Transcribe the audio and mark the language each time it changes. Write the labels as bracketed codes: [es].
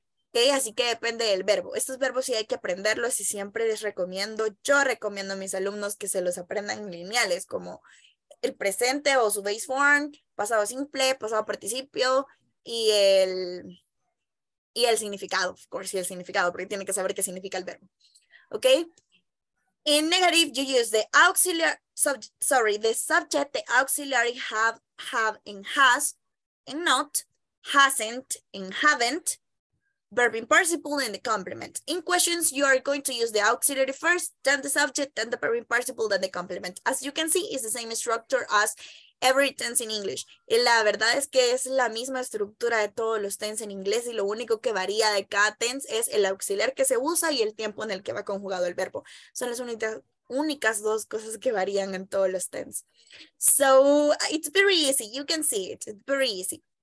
[es] Okay, así que depende del verbo. Estos verbos sí hay que aprenderlos y siempre les recomiendo, yo recomiendo a mis alumnos que se los aprendan en lineales, como el presente o su base form, pasado simple, pasado participio y el significado, of course, y el significado, porque tiene que saber qué significa el verbo. Okay? [en] In negative, you use the auxiliary, the subject, the auxiliary have and has, and not, hasn't and haven't, verb in participle and the complement. In questions, you are going to use the auxiliary first, then the subject, then the verb in participle, then the complement. As you can see, it's the same structure as every tense in English. [es] Y la verdad es que es la misma estructura de todos los tense en inglés y lo único que varía de cada tense es el auxiliar que se usa y el tiempo en el que va conjugado el verbo. Son las únicas dos cosas que varían en todos los tense. [en] So, it's very easy. You can see it. It's very easy.